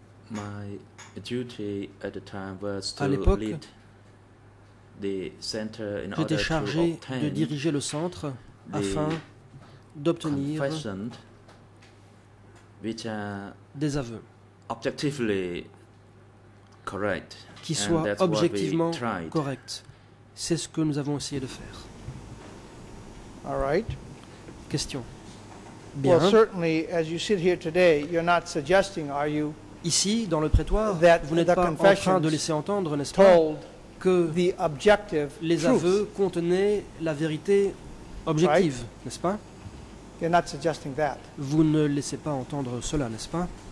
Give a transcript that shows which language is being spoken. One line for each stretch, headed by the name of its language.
English: My duty at the time was to lead the center in order to obtain
French: chargé de diriger le centre afin d'obtenir des aveux
English: objectively correct
French: qui soient objectivement corrects. C'est ce que nous avons essayé de faire.
English: All right.
French: Question. Bien.
English: Well, certainly, as you sit here today, you're not suggesting, are you?
French: Ici, dans le prétoire, vous n'êtes pas en train de laisser entendre, n'est-ce pas, que
English: the objective
French: les aveux contenaient la vérité objective,
English: right?
French: N'est-ce pas?
English: You're not suggesting that.
French: Vous ne laissez pas entendre cela, n'est-ce pas?